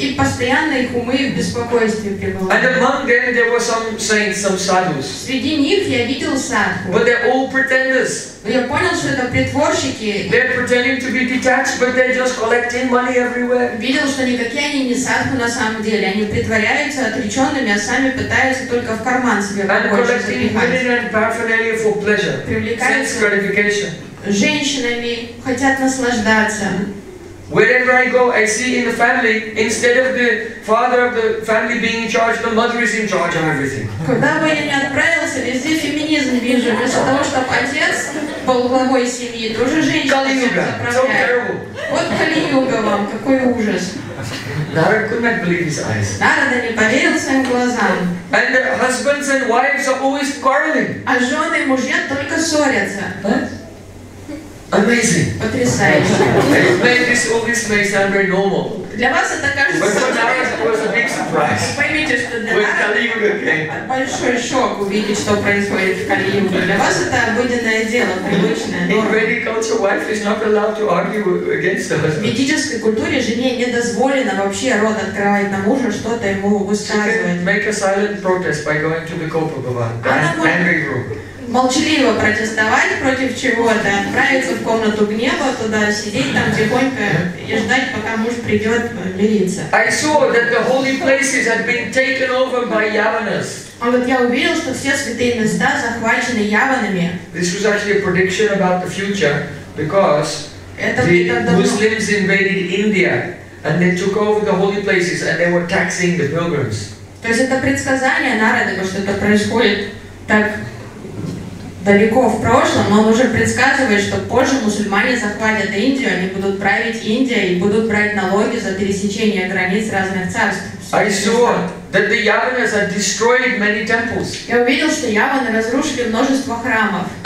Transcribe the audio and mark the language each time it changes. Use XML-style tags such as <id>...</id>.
<ru>И постоянно их умы в беспокойстве пребывают.</ru> <en>And among them there were some saints, some sadhus.</en> <ru>Среди них я видел садху.</ru> <en>But they're all pretenders.</en> <ru>Я понял, что это притворщики.</ru> <en>They're pretending to be detached, but they're just collecting money everywhere.</en> <ru>Видел, что никакие они не садху на самом деле. Они притворяются отреченными, а сами пытаются только в карман себе побольше. Привлекаются женщинами, хотят наслаждаться.</ru> <en>Wherever I go, I see in the family, instead of the father of the family being in charge, the mother is in charge of everything.</en> <ru>Куда бы я ни отправился, везде феминизм вижу. Вместо того, чтобы отец был главой семьи, то уже женщина себя заправляет. Вот Кали-юга вам, какой ужас.</ru> <en>Narada could not believe his eyes.</en> <ru>Narada не поверил своим глазам.</ru> <en>And the husbands and wives are always quarreling.</en> <ru>А жены и мужья только ссорятся.</ru> <en>Amazing.</en> <ru>Потрясающе.</ru> <en>This may sound very normal.</en> <ru>Для вас это кажется</ru> <en>But for Narada, it was a big surprise.</en> <ru>Поймите, что для Narada большой шок увидеть, что происходит в Кали-юге. Для вас это обыденное дело, привычное.</ru> <en>In Vedic culture, wife is not allowed to argue against the husband.</en> <ru>В ведической культуре жене не дозволено вообще рот открывать на мужа, что-то ему высказывать.</ru> <en>She can make a silent protest by going to the Kopa Bhavan, angry group.</en> <ru>Молчаливо протестовать против чего-то, отправиться в комнату гнева, туда сидеть там тихонько и ждать, пока муж придет мириться.</ru> <en>I saw that the holy places had been taken over by Yavanas.</en> <ru>А вот я увидел, что все святые места захвачены яванами.</ru> <en>This was actually a prediction about the future, because the Muslims invaded India and they took over the holy places and they were taxing the pilgrims.</en> <ru>То есть это предсказание Нарады, что это происходит так далеко в прошлом, он уже предсказывает, что позже мусульмане захватят Индию, они будут править Индией и будут брать налоги за пересечение границ разных царств. Я увидел, что яваны разрушили множество храмов.</ru>